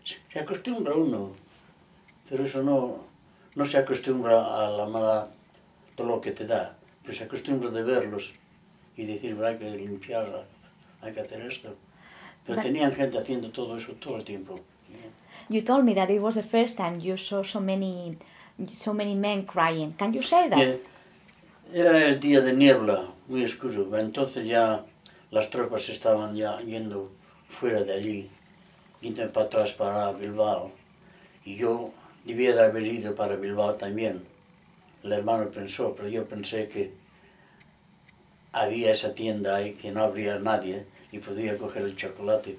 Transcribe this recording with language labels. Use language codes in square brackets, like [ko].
[es] Se acostumbra uno, pero eso no se acostumbra a la mala dolor que te da, pero se acostumbra de verlos y decir, hay que limpiar, hay que hacer esto. Pero [en] But [es] tenían gente haciendo todo eso todo el tiempo. [en] you told me that it was the first time you saw so many men crying. Can you say that? [es] Era el día de niebla, muy oscuro. Entonces ya las tropas estaban ya yendo fuera de allí, yendo para atrás para Bilbao. Y yo debía de haber ido para Bilbao también. El hermano pensó, pero yo pensé que había esa tienda ahí, que no habría nadie y podía coger el chocolate.